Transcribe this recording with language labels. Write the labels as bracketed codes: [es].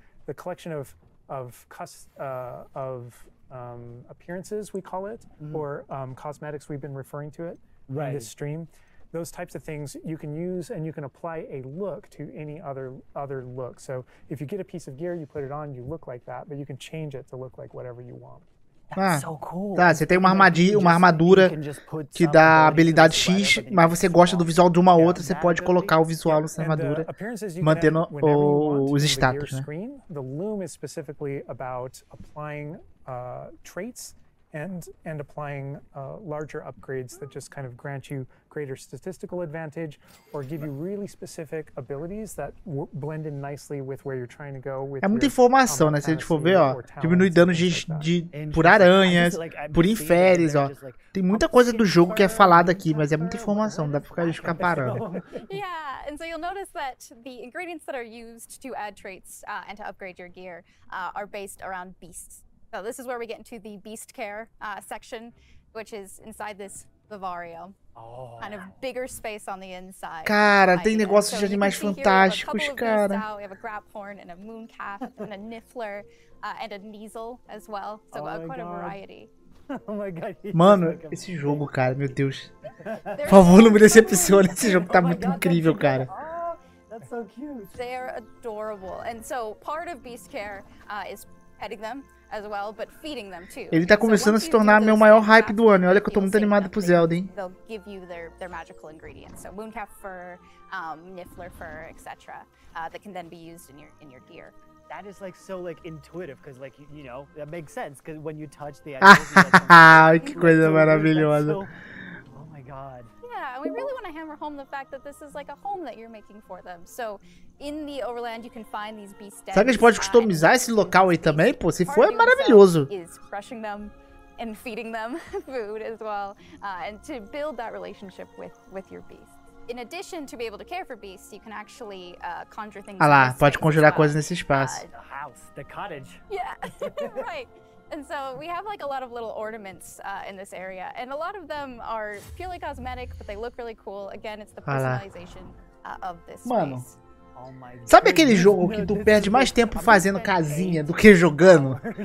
[en] The collection of appearances, we call it, or cosmetics, we've been referring to it in this stream. Those types of things you can use and you can apply a look to any other look. So if you get a piece of gear, you put it on, you look like that, but you can change it to look like whatever you want. Ah, so cool. [pt] Tá, você tem uma armadura que dá habilidade X, mas você gosta do visual de uma outra, você pode colocar o visual nessa armadura, mantendo os status, né? [en] The loom is specifically about applying traits and applying larger upgrades that just kind of grant you greater statistical advantage or give you really specific abilities that blend in nicely with where you're trying to go with. [pt] É muita informação, né? Se a gente for ver, ó, diminui danos de por aranhas, por inferes, ó. Tem muita coisa do jogo que é falada aqui, mas é muita informação, dá pra ficar parando. [en] Yeah, and so you'll notice that the ingredients that are used to add traits and to upgrade your gear are based around beasts. So this is where we get into the beast care section, which is inside this vivario. Oh. Kind of bigger space on the inside. [pt] Cara, tem negócios de animais fantásticos, cara. [en] We have a graphorn and a mooncalf and a niffler and a neasel as well. So quite a variety. Oh my god. [pt] Mano, esse jogo, cara, meu Deus. Por favor, não me decepcione. Esse jogo tá muito incrível, cara. [en] That's so cute. They are adorable. And so part of beast care is petting them. As well, but feeding them too. [pt] Ele tá começando a se tornar meu maior hype do ano. Olha que eu tô muito animado pro Zelda, hein? [en] They'll give you their magical ingredients, so mooncalf fur, niffler fur, etc. That can then be used in your gear. That is like so like intuitive, because like you know that makes sense, because when you touch the. [pt] Ah, que coisa maravilhosa! [en] Oh my god. Yeah, and we really want to hammer home the fact that this is like a home that you're making for them. So, in the overland, you can find these beast dens. [pt] Será que a gente pode customizar esse local aí também? Pô, se for, é maravilhoso. [en] Is brushing them and feeding them food as well, and to build that relationship with your beast. In addition to be able to care for beasts, you can actually conjure things. [pt] Ah lá, pode conjurar coisas nesse espaço. [en] The house, the cottage. Yeah, right. And so we have like a lot of little ornaments in this area, and a lot of them are purely cosmetic, but they look really cool. Again, it's the personalization of this space. [pt] Mano, sabe aquele jogo que tu perde mais tempo fazendo casinha do que jogando?